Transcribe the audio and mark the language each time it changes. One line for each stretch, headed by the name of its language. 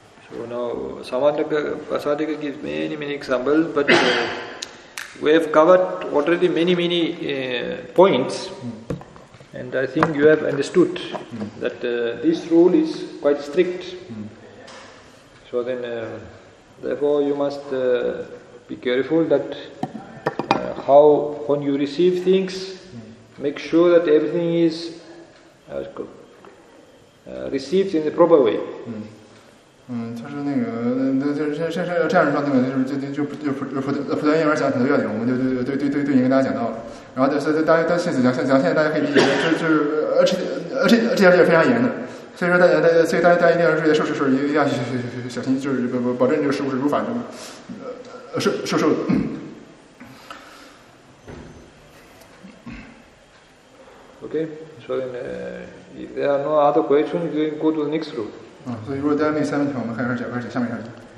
English: Samanyaka Prasadika gives many examples, but we have covered already many points, and I think you have understood that this rule is quite strict. So then, therefore, you must be careful that how when you receive things, make sure that everything is received in the proper way.
Chinese: 他说那个这样说那个就不断婴儿讲很多要点，我们就已经跟大家讲到了，然后就大家现在现在大家可以理解，这条件非常严的，所以说大家一定要注意，受一定要小心，就是保证这个食物是如法的，受的。
English: Okay, so in, if there are no other questions, you can go to the next room. So if there are only 7 questions, we can continue. Okay, next question.